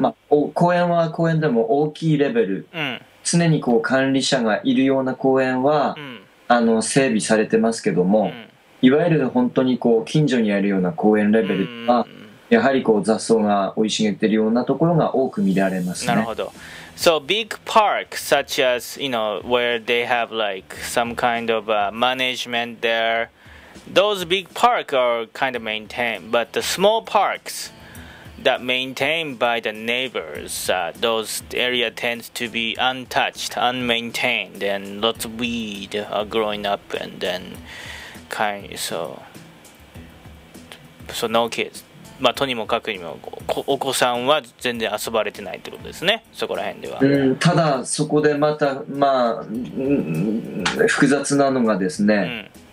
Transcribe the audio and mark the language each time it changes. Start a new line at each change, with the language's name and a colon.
Japanese: まあ、公園は公園でも大きいレベル、うん、常にこう管理者がいるような公園は、うん、整備されてますけども、うん、いわゆる本当にこう近所にあるような公園レベルは、うん、やはりこう雑草が生い茂っているようなところが多く見られますね。なるほど。
English: So big park such as you know where they have like some kind of a management thereThose big parks are kind of maintained, but the small parks that maintained by the neighbors, those area tends to be untouched, unmaintained, and lots of weed are growing up, and then kind of, so no kids.
Japanese: まあとにもかくにも お子さんは全然遊ばれてないってことですね。そこら辺では。うん、ただそこでまたまあ、複雑なのがですね。